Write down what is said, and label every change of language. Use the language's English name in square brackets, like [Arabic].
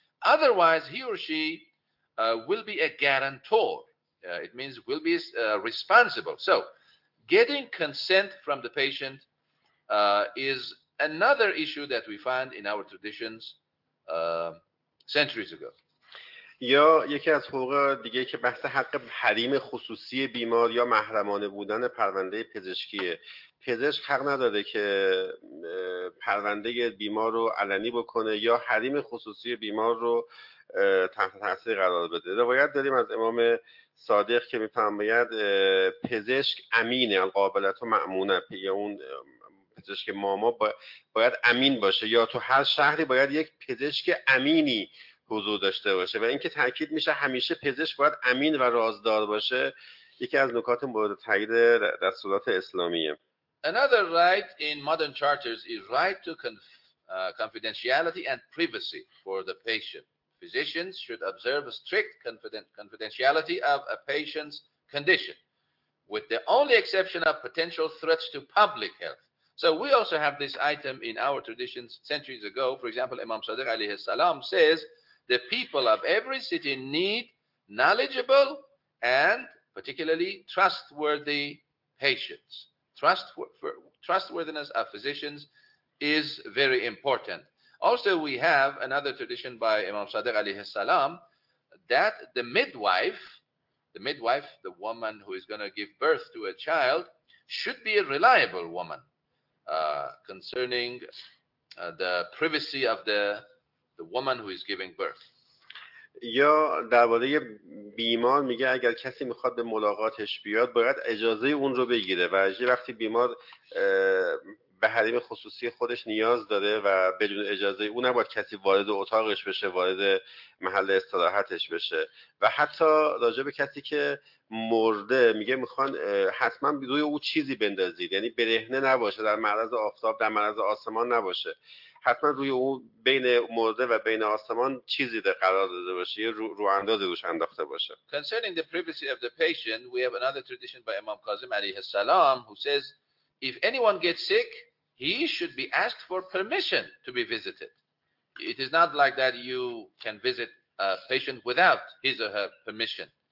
[English] Otherwise, he or she will be a guarantor. It means will be responsible. So getting consent from the patient is another issue that we find in our traditions centuries ago. [Persian] یا یکی از حقوق دیگه که بحث حق حریم خصوصی بیمار یا محرمانه بودن پرونده پزشکیه. پزشک حق نداره که پرونده بیمار رو علنی بکنه یا حریم خصوصی بیمار رو تحت تاثیر قرار بده. روایت داریم از امام صادق که میفرماید پزشک امینه، [Arabic] القابلت و مأمونه، [Persian] یا اون پزشک ماما باید امین باشه، یا تو هر شهری باید یک پزشک امینی حضور داشته باشه. و اینکه تاکید میشه همیشه پزشک باید امین و رازدار باشه یکی از نکات مورد تایید رسولات اسلامیه. [English] Another right in modern charters is right to confidentiality and privacy for the patient. Physicians should observe a strict confidentiality of a patient's condition, with the only exception of potential threats to public health. So we also have this item in our traditions centuries ago. For example, Imam Sadiq alayhi salam says, the people of every city need knowledgeable and particularly trustworthy patients. Trustworthiness of physicians is very important. Also, we have another tradition by Imam Sadiq alayhi salam that the midwife, the woman who is going to give birth to a child, should be a reliable woman concerning the privacy of the woman who is giving birth. [Persian] یا درباره بیمار میگه اگر کسی میخواد به ملاقاتش بیاد باید اجازه اون رو بگیره، و یه وقتی بیمار به حریم خصوصی خودش نیاز داره و بدون اجازه اون نباید کسی وارد اتاقش بشه، وارد محل استراحتش بشه. و حتی راجع به کسی که مرده میگه میخوان حتما روی او چیزی بندازید، یعنی برهنه نباشه، در معرض آفتاب، در معرض آسمان نباشه، حتما روی او بین مرده و بین آسمان چیزی ده قرار داده باشه، یه رو انداز روش انداخته باشه. [English] Concerning the privacy of the patient, we have another tradition by Imam Kazim alayhi salam who says, if anyone gets sick, he should be asked for permission to be visited. It is not like that you can visit a patient without his or her permission.